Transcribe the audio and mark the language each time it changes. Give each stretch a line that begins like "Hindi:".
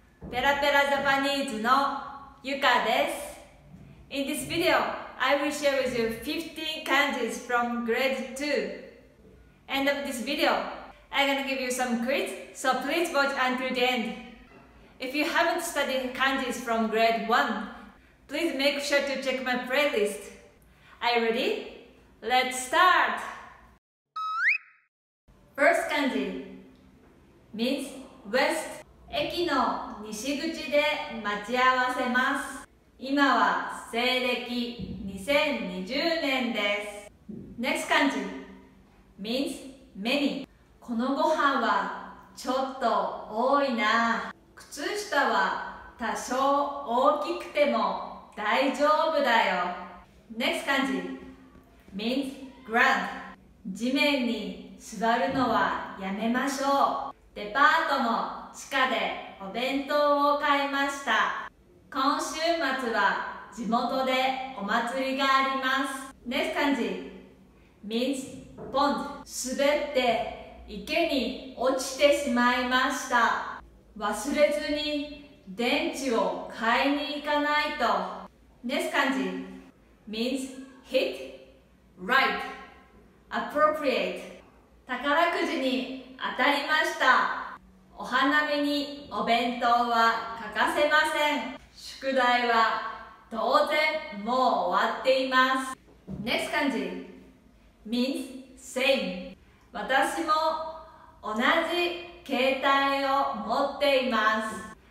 Japanese: ペラペラジャパニーズのゆかです。
English: In this video, I will share with you 15 kanjis from grade 2. End of this video, I'm gonna give you some quiz, so please watch until the end. If you haven't studied kanjis from grade 1, please make sure to check my playlist. Are you ready? Let's start! First kanji means west.
Japanese: 駅の西口で待ち合わせます。今は西暦2020年です。
English: Next kanji means many.
Japanese: このご飯はちょっと多いな。靴下は多少大きくても大丈夫だよ。
English: Next kanji means ground.
Japanese: 地面に座るのはやめましょう。デパートの地下でお弁当を買いました。今週末は地元でお祭りがあります。
English: Next kanji means pond.
Japanese: 滑って池に落ちてしまいました。忘れずに電池を買いに行かないと。
English: Next kanji means hit, right, appropriate.
Japanese: 宝くじに当たりました。お花見にお弁当は欠かせません。宿題は当然もう終わっています。
English: Next kanji means same.
Japanese: 私も同じ携帯を持っています。